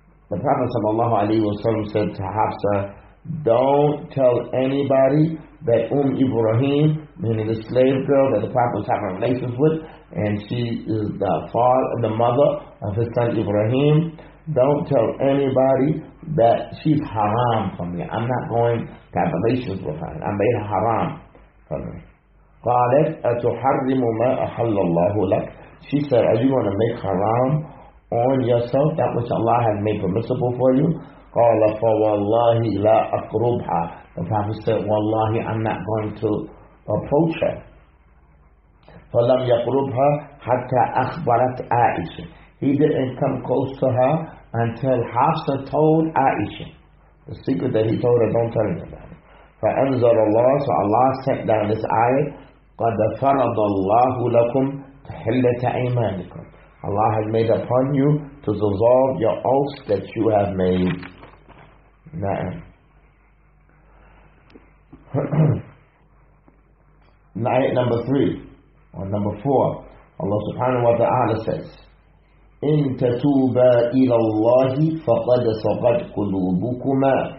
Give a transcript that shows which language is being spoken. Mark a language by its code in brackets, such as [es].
[en] The Prophet sallallahu alayhi wasallam said to Hafsa, don't tell anybody that Ibrahim, meaning the slave girl that the Prophet was having relations with, and she is the father, the mother of his son Ibrahim, don't tell anybody that she's haram for me. I'm not going to have relations with her. I made her haram for me. [ar] قالت أتحرم ما أحل الله لك. [en] She said, are you going to make haram on yourself that which Allah has made permissible for you? [ar] قال فوالله لا أقربها. [en] The Prophet said, wallahi, I'm not going to approach her. [ar] فلم يقربها حتى أخبرت عائشة. [en] He didn't come close to her until Hafsa told Aisha. The secret that he told her, don't tell anybody. [ar] فأنزل الله, [en] so Allah sent down this ayah, [ar] قد فرض الله لكم تحلة أيمانكم. [en] Allah has made upon you to dissolve your oaths that you have made. [ar] نعم. [en] Night number three, or number four, Allah subhanahu wa ta'ala says, [ar] إِن تَتُوبَ إِلَى اللَّهِ فَقَدْ صَغَتْ قُلُوبُكُمَا.